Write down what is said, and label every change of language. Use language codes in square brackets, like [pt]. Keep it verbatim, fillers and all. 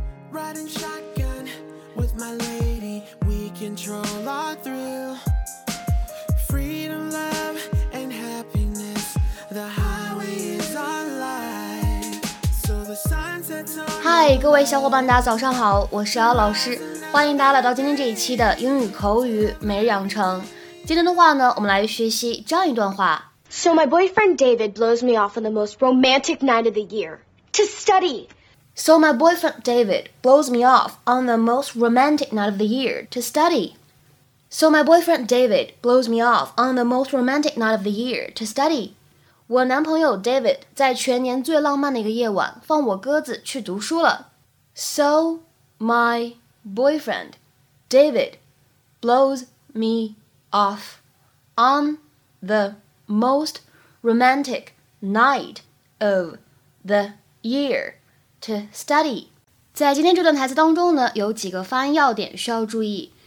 [en] Riding shotgun with my lady, we control our thrill. Freedom, love, and happiness, the highway is our life. So the sun sets on. [zh] 嗨，各位小伙伴，大家早上好，我是敖老师，欢迎大家来到今天这一期的英语口语每日养成。今天的话呢，我们来学习这样一段话。 [en] So my boyfriend David blows me off on the most romantic night of the year to study. So my boyfriend David blows me off on the most romantic night of the year to study. So my boyfriend David blows me off on the most romantic night of the year to study. [zh] 我男朋友 David 在全年最浪漫的一个夜晚放我鸽子去读书了。 [en] So my boyfriend David blows me off on the most romantic night of the year. To study. [zh] 在今天这段台词当中呢，有几个发音要点需要注意。